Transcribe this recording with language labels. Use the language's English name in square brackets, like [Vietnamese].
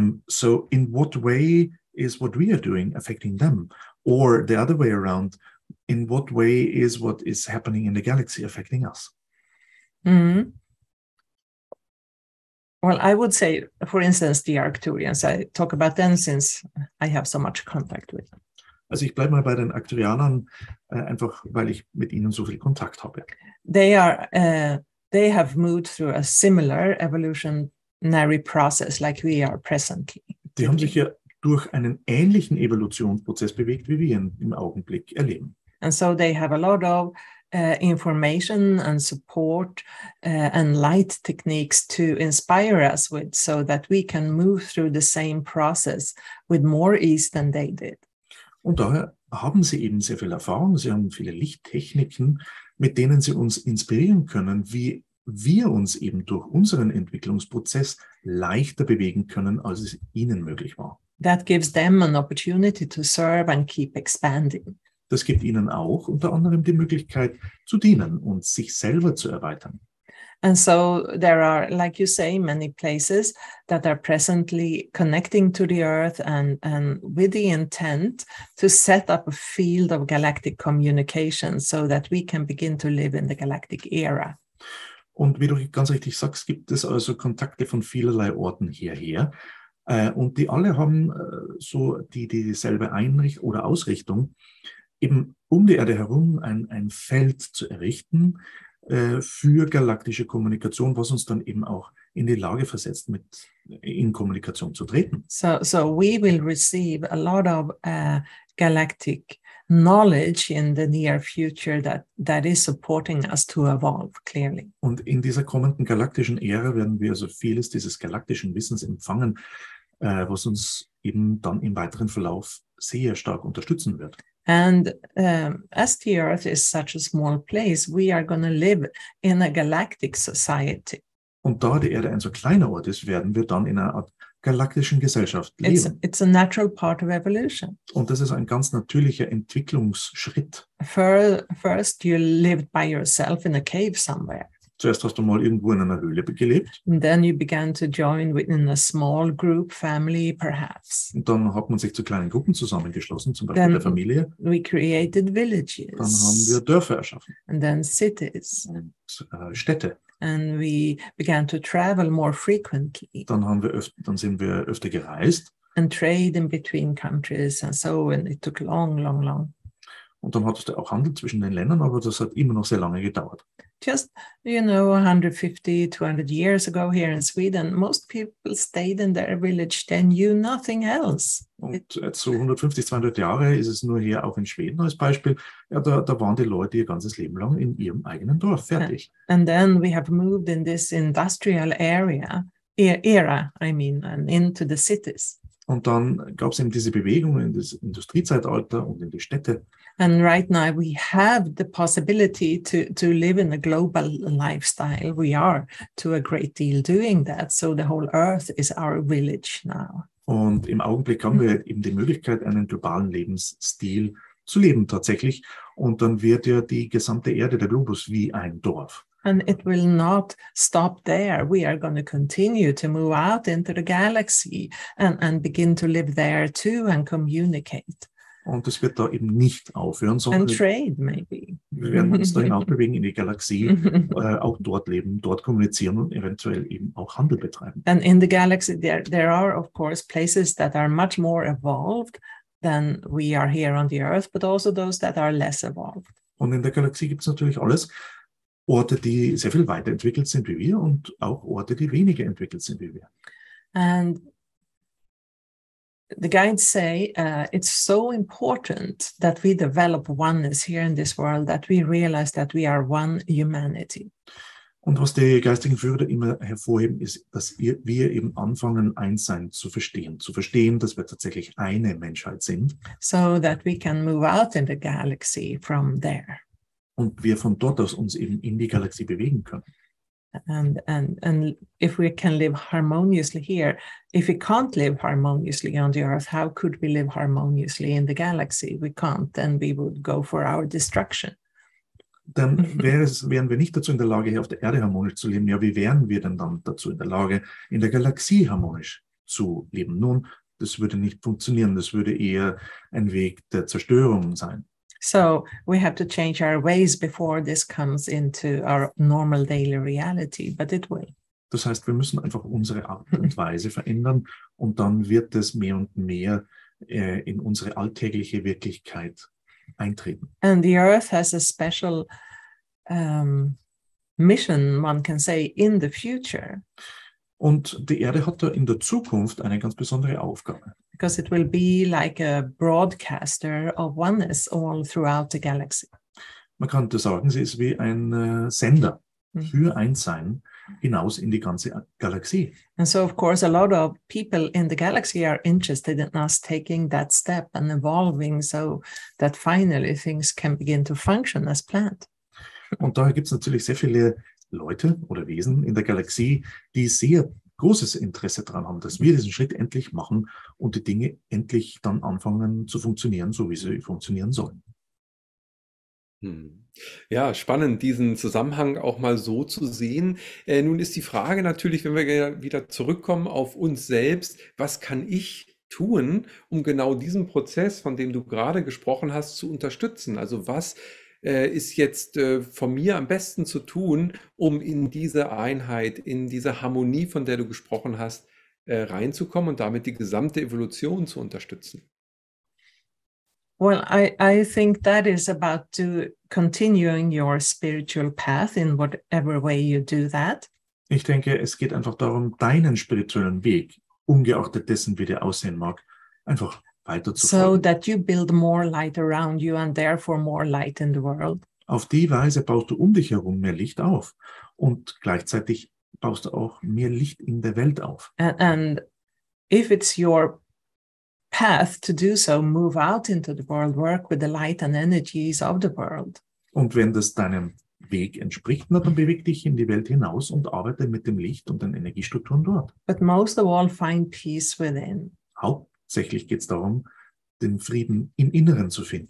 [English] So in what way is what we are doing affecting them? Or the other way around, in what way is what is happening in the galaxy affecting us? Mm-hmm. Well, I would say, for instance, the Arcturians, I talk about them since I have so much contact with them. [German] Also ich bleibe mal bei den Arcturianern, einfach weil ich mit ihnen so viel Kontakt habe. [English] They have moved through a similar evolutionary process like we are presently. [German] Die haben sich ja durch einen ähnlichen Evolutionsprozess bewegt, wie wir ihn im Augenblick erleben. [English] And so they have a lot of information and support and light techniques to inspire us with so that we can move through the same process with more ease than they did. [German] Und daher haben sie eben sehr viel Erfahrung, sie haben viele Lichttechniken, mit denen sie uns inspirieren können, wie wir uns eben durch unseren Entwicklungsprozess leichter bewegen können, als es ihnen möglich war. [English] That gives them an opportunity to serve and keep expanding. [German] Das gibt ihnen auch unter anderem die Möglichkeit zu dienen und sich selber zu erweitern. [English] And so there are, like you say, many places that are presently connecting to the Earth and with the intent to set up a field of galactic communication so that we can begin to live in the galactic era. [German] Und wie du ganz richtig sagst, gibt es also Kontakte von vielerlei Orten hierher. Und die alle haben so dieselbe Einrichtung oder Ausrichtung, eben um die Erde herum ein Feld zu errichten für galaktische Kommunikation, was uns dann eben auch in die Lage versetzt, mit in Kommunikation zu treten. [English] So we will receive a lot of galactic knowledge in the near future that is supporting us to evolve clearly. [German] Und in dieser kommenden galaktischen Ära werden wir also vieles dieses galaktischen Wissens empfangen, was uns eben dann im weiteren Verlauf sehr stark unterstützen wird. [English] And as the Earth is such a small place, we are going to live in a galactic society. [German] Und da die Erde ein so kleiner Ort ist, werden wir dann in einer Art galaktischen Gesellschaft leben. [English] It's a natural part of evolution. [German] Und das ist ein ganz natürlicher Entwicklungsschritt. [English] First you lived by yourself in a cave somewhere. [German] Zuerst hast du mal irgendwo in einer Höhle gelebt. [English] And then you began to join within a small group, family perhaps. [German] Und dann hat man sich zu kleinen Gruppen zusammengeschlossen, zum Beispiel der Familie. [English] We created villages. [German] Dann haben wir Dörfer erschaffen. [English] And then cities. [German] Und Städte. [English] And we began to travel more frequently. [German] Dann sind wir öfter gereist. [English] And trade in between countries and so, and it took long, long, long. [German] Und dann hattest du auch Handel zwischen den Ländern, aber das hat immer noch sehr lange gedauert. [English] Just, you know, 150, 200 years ago here in Sweden, most people stayed in their village, they knew nothing else. [German] Und jetzt so 150, 200 Jahre ist es nur hier auch in Schweden als Beispiel. Ja, da waren die Leute ihr ganzes Leben lang in ihrem eigenen Dorf, fertig. [English] And then we have moved in this industrial era, and into the cities. [German] Und dann gab es eben diese Bewegung in das Industriezeitalter und in die Städte. [English] And right now we have the possibility to live in a global lifestyle. We are to a great deal doing that. So the whole Earth is our village now. [German] Und im Augenblick haben wir eben die Möglichkeit, einen globalen Lebensstil zu leben tatsächlich. Und dann wird ja die gesamte Erde, der Globus, wie ein Dorf. [English] And it will not stop there. We are going to continue to move out into the galaxy and begin to live there too and communicate. [German] Und das wird da eben nicht aufhören, sondern wir werden uns dahin auch bewegen in die Galaxie, auch dort leben, dort kommunizieren und eventuell eben auch Handel betreiben. [English] And in the galaxy there are of course places that are much more evolved than we are here on the Earth, but also those that are less evolved. [German] Und in der Galaxie gibt es natürlich alles. Orte, die sehr viel weiterentwickelt sind wie wir und auch Orte, die weniger entwickelt sind wie wir. [English] And the guides say it's so important that we develop oneness here in this world, that we realize that we are one humanity. [German] Und was die geistigen Führer immer hervorheben, ist, dass wir eben anfangen, eins sein zu verstehen. Zu verstehen, dass wir tatsächlich eine Menschheit sind. [English] So that we can move out in the galaxy from there. [German] Und wir von dort aus uns eben in die Galaxie bewegen können. [English] And if we can live harmoniously here, if we can't live harmoniously on the Earth, how could we live harmoniously in the galaxy? We can't, then we would go for our destruction. [German] Dann wären wir nicht dazu in der Lage, hier auf der Erde harmonisch zu leben. Ja, wie wären wir denn dann dazu in der Lage, in der Galaxie harmonisch zu leben? Nun, das würde nicht funktionieren. Das würde eher ein Weg der Zerstörung sein. [English] So we have to change our ways before this comes into our normal daily reality, but it will. [German] Das heißt, wir müssen einfach unsere Art und Weise verändern und dann wird es mehr und mehr in unsere alltägliche Wirklichkeit eintreten. [English] And the Earth has a special mission, one can say, in the future. [German] Und die Erde hat da in der Zukunft eine ganz besondere Aufgabe. [English] Because it will be like a broadcaster of oneness all throughout the galaxy. [German] Man könnte sagen, sie ist wie ein Sender für Einssein hinaus in die ganze Galaxie. [English] And so of course a lot of people in the galaxy are interested in us taking that step and evolving so that finally things can begin to function as planned. [German] Und daher gibt es natürlich sehr viele Leute oder Wesen in der Galaxie, die sehr großes Interesse daran haben, dass wir diesen Schritt endlich machen und die Dinge endlich dann anfangen zu funktionieren, so wie sie funktionieren sollen. Ja, spannend, diesen Zusammenhang auch mal so zu sehen. Nun ist die Frage natürlich, wenn wir wieder zurückkommen auf uns selbst, was kann ich tun, um genau diesen Prozess, von dem du gerade gesprochen hast, zu unterstützen? Also was ist jetzt von mir am besten zu tun, um in diese Einheit, in diese Harmonie, von der du gesprochen hast, reinzukommen und damit die gesamte Evolution zu unterstützen? [English] Well, I think that is about to continue in your spiritual path in whatever way you do that. [German] Ich denke, es geht einfach darum, deinen spirituellen Weg, ungeachtet dessen, wie der aussehen mag, einfach weiterzuführen. [English] So that you build more light around you and therefore more light in the world. [German] Auf die Weise baust du um dich herum mehr Licht auf und gleichzeitig baust du auch mehr Licht in der Welt auf. [English] And if it's your path to do so, move out into the world, work with the light and energies of the world. [German] Und wenn das deinem Weg entspricht, na, dann beweg dich in die Welt hinaus und arbeite mit dem Licht und den Energiestrukturen dort. [English] But most of all, find peace within. [German] Hauptsächlich geht es darum, den Frieden im Inneren zu finden.